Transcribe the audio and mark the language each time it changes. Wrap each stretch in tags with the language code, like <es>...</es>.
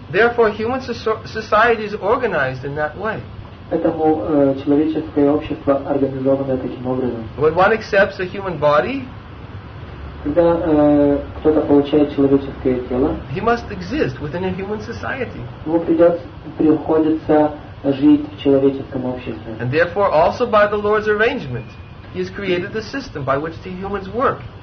<en>Therefore, human society is organized in that way.</en> <ru>Поэтому человеческое общество организовано таким образом.</ru> <en>When one accepts a human body,</en> <ru>когда кто-то получает человеческое тело,</ru> <en>he must exist within a human society.</en> <ru>Ему приходится жить в человеческом обществе.</ru> <en>And therefore, also by the Lord's arrangement, he has created the system by which the humans work.</en>